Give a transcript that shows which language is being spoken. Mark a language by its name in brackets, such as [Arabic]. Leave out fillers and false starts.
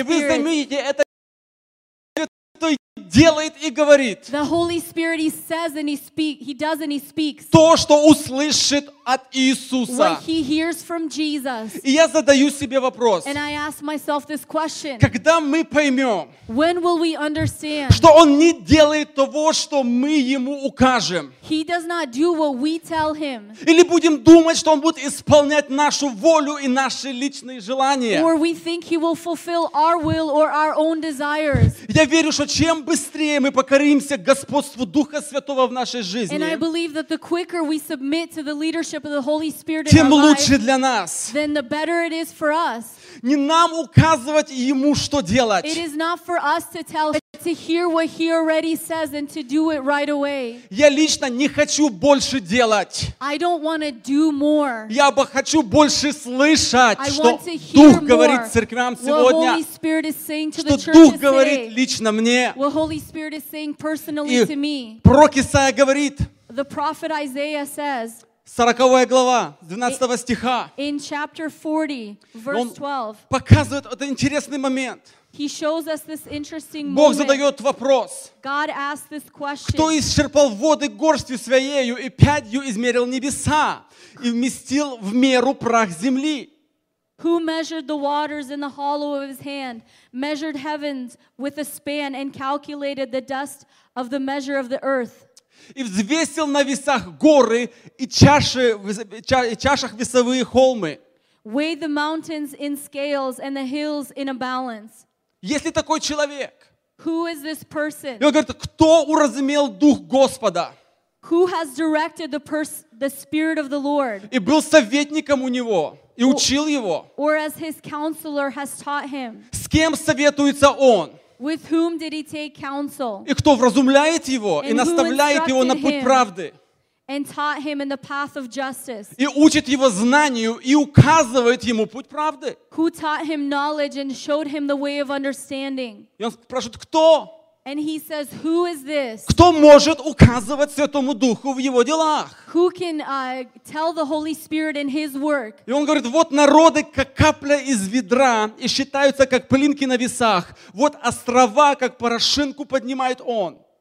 [Russian] И вы заметите, это делает и говорит. [English] The Holy Spirit, he says and he speaks. He does and he speaks. [Russian] То, что услышит от Иисуса. [English] What he hears from Jesus. [Russian] И я задаю себе вопрос. [English] And I ask myself this question. [Russian] Когда мы поймем? [English] When will we understand? [Russian] Что Он не делает того, что мы Ему укажем. [English] He does not do what we tell Him. [Russian] Или будем думать, что Он будет исполнять нашу волю и наши личные желания. [English] Or we think He will fulfill our will or our own desires. [Russian] Я верю, что чем быстрее мы покоримся господству Духа Святого в нашей жизни, [English] and I believe that the quicker we submit to the leadership of the Holy Spirit in our life, [Russian] для нас. [English] Then the better it is for us. [Russian] Не нам указывать Ему, что делать. [English] It is not for us to tell Him to hear what He already says and to do it right away. [Russian] Я лично не хочу больше делать. [English] I don't want to do more. [Russian] Я бы хочу больше слышать, что Дух говорит церквям сегодня. [English] What Holy Spirit is saying to the church today. [Russian] Что Дух говорит лично мне. [English] What Holy Spirit is saying personally to me. [Russian] Пророк Исаия говорит. [English] The prophet Isaiah says. [Russian] 40 глава, 12 стиха. [English] In chapter 40, verse 12. [Russian] Он показывает этот интересный момент. [English] He shows us this interesting [Russian] Бог задает вопрос. [English] God asked this question. [Russian] Кто исчерпал воды горстью своею и пядью измерил небеса и вместил в меру прах земли? [English] Who measured the waters in the hollow of his hand, measured heavens with a span and calculated the dust of the measure of the earth? [Russian] И взвесил на весах горы и чашах весовые холмы. [English] Weigh the mountains in scales and the hills in a balance. [Russian] Если такой человек, [English] who is this person? [Russian] И он говорит, кто уразумел Дух Господа? [English] Who has directed the Spirit of the Lord? [Russian] И был советником у него, и учил его. [English] Or as his counselor has taught him. [Russian] С кем советуется он? [English] With whom did he take counsel? [Russian] И кто вразумляет его и наставляет его на путь правды? [English] And taught him in the path of justice. [Russian] И учит его знанию и указывает ему путь правды. [English] Who taught him knowledge and showed him the way of understanding? [Russian] И он спрашивает, кто? [English] And he says, who is this? [Russian] Кто может указывать Святому Духу в его делах? [English] Who can tell the Holy Spirit in his work? [Russian] И он говорит, вот народы, как капля из ведра, и считаются, как пылинки на весах. Вот острова, как порошинку поднимает он.